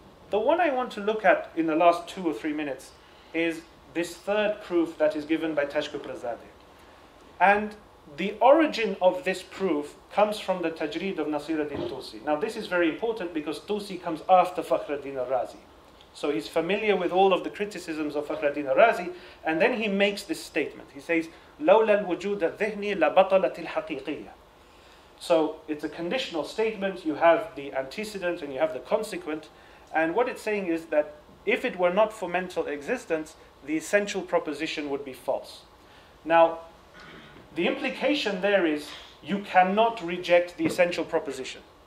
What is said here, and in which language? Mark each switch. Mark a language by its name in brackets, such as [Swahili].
[English] The one I want to look at in the last 2 or 3 minutes is this third proof that is given by Tashkub Razadi. And the origin of this proof comes from the Tajreed of Nasiruddin Tusi. Now this is very important because Tusi comes after Fakhruddin al-Razi. So he's familiar with all of the criticisms of Fakhruddin al-Razi, and then he makes this statement. He says, [Arabic] لَوْلَا الْوُجُودَ الذِّهْنِي لَبَطَلَةِ الْحَقِيقِيَّةِ. [English] So it's a conditional statement. You have the antecedent and you have the consequent. And what it's saying is that if it were not for mental existence, the essential proposition would be false. Now, the implication there is you cannot reject the essential proposition.